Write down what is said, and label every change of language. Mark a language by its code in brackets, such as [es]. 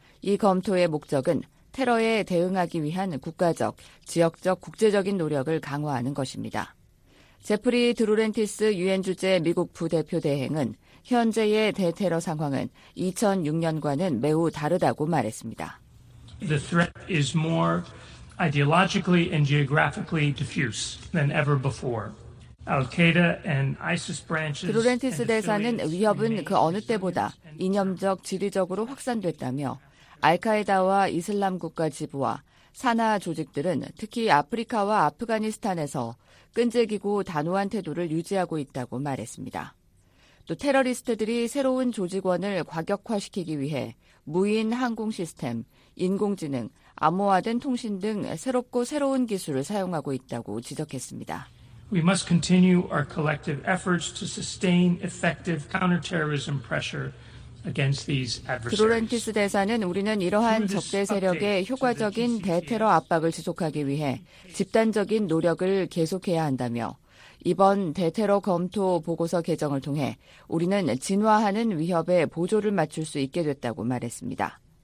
[ko] 이 검토의 목적은 테러에 대응하기 위한 국가적, 지역적, 국제적인 노력을 강화하는 것입니다. 제프리 드루렌티스 유엔 주재 미국 부대표 대행은 현재의 대테러 상황은 2006년과는 매우 다르다고 말했습니다. [en] The threat is more ideologically and geographically diffuse than ever before. Al-Qaeda and ISIS branches. [ko] 드루렌티스 대사는 위협은 그 어느 때보다 이념적, 지리적으로 확산됐다며 알카에다와 이슬람 국가 지부와 산하 조직들은 특히 아프리카와 아프가니스탄에서 끈질기고 단호한 태도를 유지하고 있다고 말했습니다. 또 테러리스트들이 새로운 조직원을 과격화시키기 위해 무인 항공 시스템, 인공지능, 암호화된 통신 등 새롭고 새로운 기술을 사용하고 있다고 지적했습니다. [en] We must continue our collective efforts to sustain effective counterterrorism pressure against these adversaries. [ko] 드로렌티스 대사는 우리는 이러한 적대 세력의 효과적인 대테러 압박을 지속하기 위해 집단적인 노력을 계속해야 한다며 이번 대테러 검토 보고서 개정을 통해 우리는 진화하는 위협에 보조를 맞출 수 있게 됐다고 말했습니다.